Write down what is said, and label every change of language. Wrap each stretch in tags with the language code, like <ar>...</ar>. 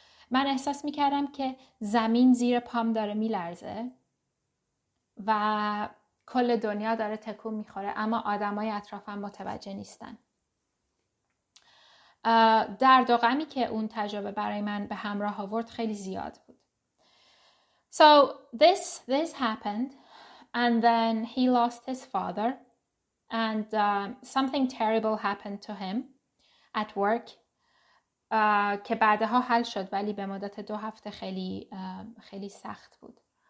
<fa>من احساس میکردم که زمین زیر پام داره میلرزه و کل دنیا داره تکون میخوره اما آدمای اطرافم متوجه نیستن. درد و غمی که اون تجربه برای من به همراه آورد خیلی زیاد بود.</fa> <en>So this happened and then he lost his father and something terrible happened to him at work.</en> <fa>که بعدها حل شد ولی به مدت دو هفته خیلی خیلی سخت بود.</fa>